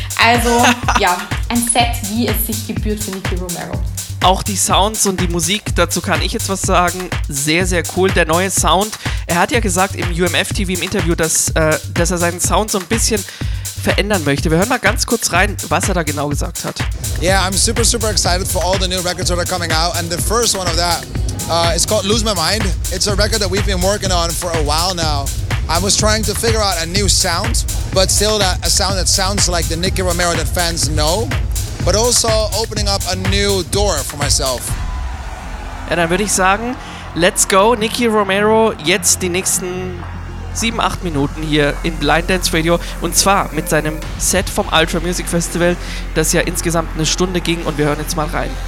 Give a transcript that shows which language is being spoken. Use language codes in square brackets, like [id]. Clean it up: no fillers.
[de] Also ja, ein Set, wie es sich gebührt für Nicky Romero. Auch die Sounds und die Musik, dazu kann ich jetzt was sagen, sehr, sehr cool. Der neue Sound, er hat ja gesagt im UMF-TV im Interview, dass er seinen Sound so ein bisschen verändern möchte. Wir hören mal ganz kurz rein, was er da genau gesagt hat. [en] Yeah, I'm super, super excited for all the new records that are coming out and the first one of that. It's called Lose My Mind. It's a record that we've been working on for a while now. I was trying to figure out a new sound, but still a sound that sounds like the Nicky Romero that fans know, but also opening up a new door for myself. [de] Ja, dann würde ich sagen, [en] let's go, [de] Nicky Romero, jetzt die nächsten 7-8 Minuten hier im Blind Dance Radio und zwar mit seinem Set vom Ultra Music Festival, das ja insgesamt eine Stunde ging und wir hören jetzt mal rein.